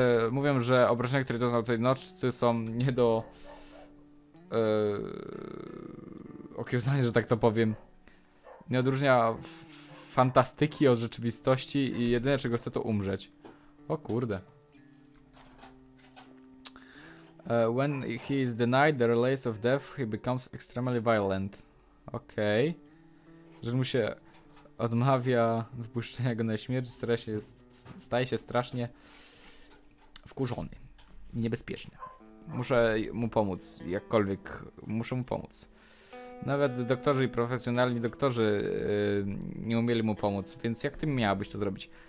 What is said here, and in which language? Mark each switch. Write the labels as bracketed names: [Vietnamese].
[Polish] Mówią, że obrażenia, które doznał tej nocy, są nie do okiełznania, że tak to powiem. Nie odróżnia fantastyki od rzeczywistości i jedyne, czego chcę, to umrzeć. O kurde. [English] When he is denied the release of death, he becomes extremely violent. Okej. Okay. [Polish] Jeżeli mu się odmawia wypuszczenia go na śmierć, staje się strasznie wkurzony. Niebezpieczny. Muszę mu pomóc, jakkolwiek. Muszę mu pomóc. Nawet doktorzy i profesjonalni doktorzy nie umieli mu pomóc, więc jak ty miałabyś to zrobić?